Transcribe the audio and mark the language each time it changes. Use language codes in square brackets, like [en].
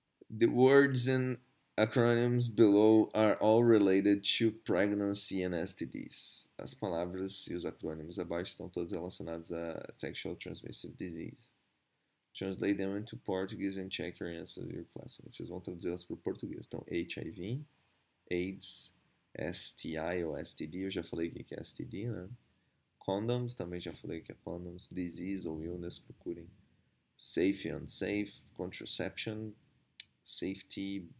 [en] The words and acronyms below are all related to pregnancy and STDs. [pt] As palavras e os acrônimos abaixo estão todos relacionados a [en] sexual transmissive disease. Translate them into Portuguese and check your answer to your question. [pt] Vocês vão traduzi-las para o português. Então, HIV, AIDS, STI ou STD, eu já falei o que é STD, né? Condoms, também já falei que é condoms. Disease ou illness, procurem. [en] Safe and unsafe. Contraception. Safety.